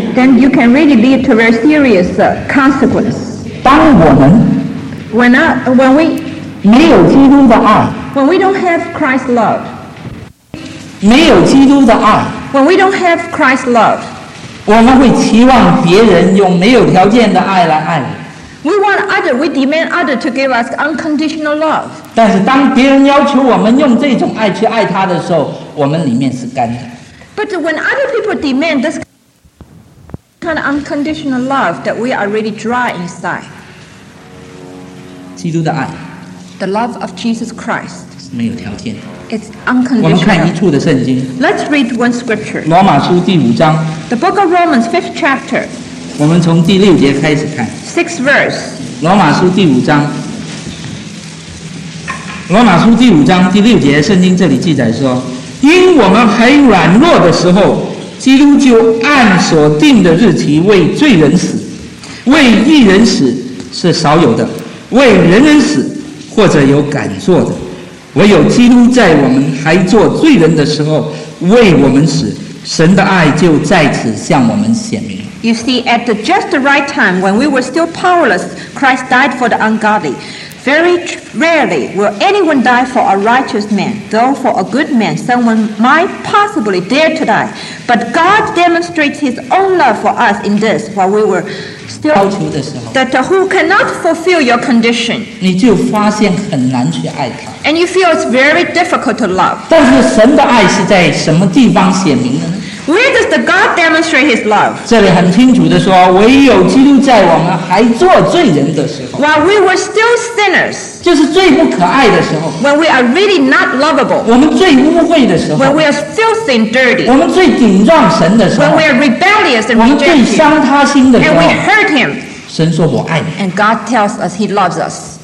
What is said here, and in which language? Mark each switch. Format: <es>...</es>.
<en>Then you can really lead to very serious consequence.</en> <zh>当我们</zh> <en>When we</en> <zh>没有基督的爱</zh> <en>when we don't have Christ's love.</en> <zh>没有基督的爱，</zh> <en>when we don't have Christ's love,</en> <zh>我们会期望别人用没有条件的爱来爱你。</zh> <en>We want other, we demand other to give us unconditional love.</en> <zh>但是当别人要求我们用这种爱去爱他的时候，我们里面是干的。</zh> <en>But when other people demand this kind of unconditional love, that we are really dry inside.</en> <zh>基督的爱。</zh> <en>The love of Jesus Christ.</en> <zh>是没有条件的。</zh> <en>It's unconditional.</en> <zh>我们看一处的圣经。</zh> <en>Let's read one scripture.</en> <zh>罗马书第五章。</zh> <en>The book of Romans, fifth chapter.</en> <zh>我们从第六节开始看。</zh> <en>Sixth verse.</en> <zh>罗马书第五章。罗马书第五章第六节，圣经这里记载说，因我们还软弱的时候，基督就按所定的日期为罪人死。为义人死是少有的，为人人死或者有敢做的，唯有基督在我们还做罪人的时候为我们死，神的爱就在此向我们显明。</zh> <en>You see, at the just the right time, when we were still powerless, Christ died for the ungodly. Very rarely will anyone die for a righteous man, though for a good man, someone might possibly dare to die. But God demonstrates his own love for us in this, while we were still that who cannot fulfill your condition.</en> <zh>你就发现很难去爱他。</zh> <en>And you feel it's very difficult to love.</en> <zh>但是神的爱是在什么地方显明呢？</zh> <en>Where does the God demonstrate His love?</en> <zh>这里很清楚地说，唯有基督在我们还做罪人的时候。</zh> <en>While we were still sinners.</en> <zh>就是最不可爱的时候。</zh> <en>When we are really not lovable.</en> <zh>我们最污秽的时候。</zh> <en>When we are filthy and dirty.</en> <zh>我们最顶撞神的时候。</zh> <en>When we are rebellious and rejected.</en> <zh>我们最伤他心的时候。</zh> <en>And we hurt Him.</en> <zh>神说我爱你。</zh> <en>And God tells us He loves us.</en>